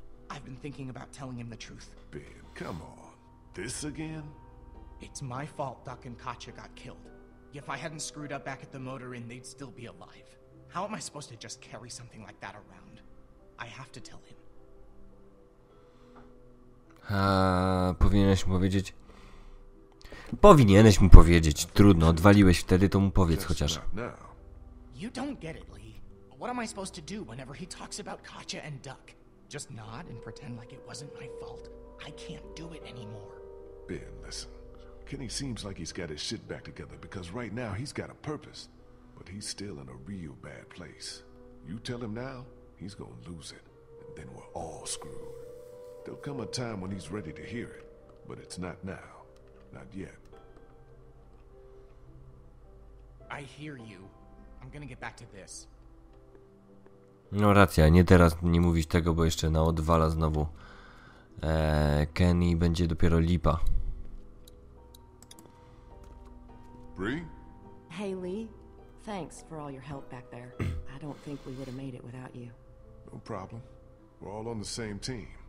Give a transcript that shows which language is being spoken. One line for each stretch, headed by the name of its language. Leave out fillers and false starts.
English: I've been thinking about telling him the truth. Babe, come on. This again? It's my fault Doc and Katya got killed. If I hadn't screwed up back at the motor inn, they'd still be alive. How am I supposed to just carry something like that around? I have to tell him.
Polish: Powinieneś mu powiedzieć? Powinieneś mu powiedzieć. Trudno, odwaliłeś wtedy, to mu powiedz chociaż.
English: You don't get it, Lee. What am I supposed to do whenever he talks about Katya and Duck? Just nod and pretend like it wasn't my fault. I can't do it anymore. Ben, listen. Kenny seems like he's got his shit back together because right now he's got a purpose. But he's still in a real bad place. You tell him now, he's gonna lose it. And then we're all screwed. There'll come a time when he's ready to hear it, but it's not now. Not yet. I hear you. I'm gonna get back to this.
Polish: No racja, nie teraz nie mówić tego, bo jeszcze na odwala znowu. Kenny będzie dopiero lipa.
English: Bree? Hey Lee, thanks for all your help back there. I don't think we would have made it without you. No problem. We're all on the same team.